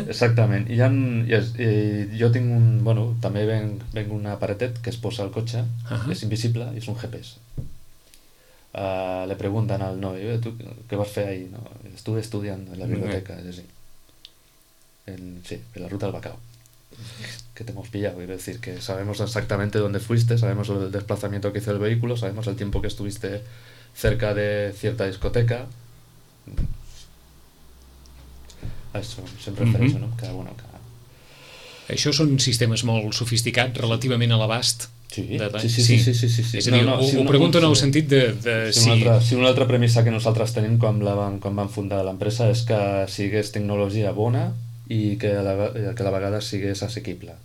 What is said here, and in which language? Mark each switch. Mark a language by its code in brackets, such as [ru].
[ca] Exactament. Jo tinc un... Bueno, també venc un aparatet que es posa al cotxe, és invisible, i és un GPS. Le pregunten al noi, tu què vas fer ahir? No? Estuve estudiant en la biblioteca, és així. Sí, per la ruta del Bacao. [es] Que te hemos pillado, quiero decir que sabemos exactamente dónde fuiste, sabemos el desplazamiento que hizo el vehículo, sabemos el tiempo que estuviste cerca de cierta discoteca. A eso siempre refiero, ¿no? Cada uno, cada... [ca] Això són sistemes molt sofisticats, relativament a l'abast. Sí. Ho pregunto en el sentit de si... una altra premissa que nosaltres tenim quan vam fundar l'empresa és que sigués tecnologia bona i que a la vegada sigués assequible.